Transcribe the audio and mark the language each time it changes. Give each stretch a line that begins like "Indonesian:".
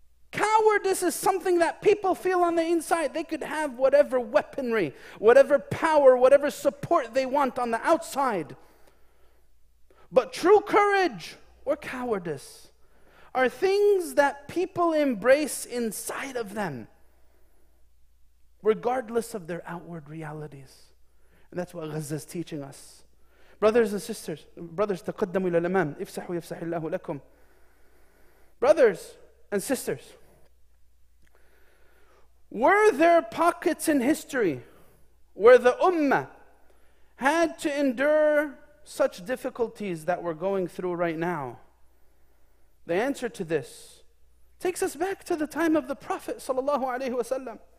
English: Cowardice is something that people feel on the inside. They could have whatever weaponry, whatever power, whatever support they want on the outside. But true courage or cowardice are things that people embrace inside of them, regardless of their outward realities. And that's what Ghazza is teaching us. Brothers and sisters, brothers,
Arabic: تقدموا إلى الأمام, افسحوا يفسح الله لكم.
English: Brothers and sisters, were there pockets in history where the Ummah had to endure such difficulties that we're going through right now? The answer to this takes us back to the time of the Prophet sallallahu alaihi wasallam.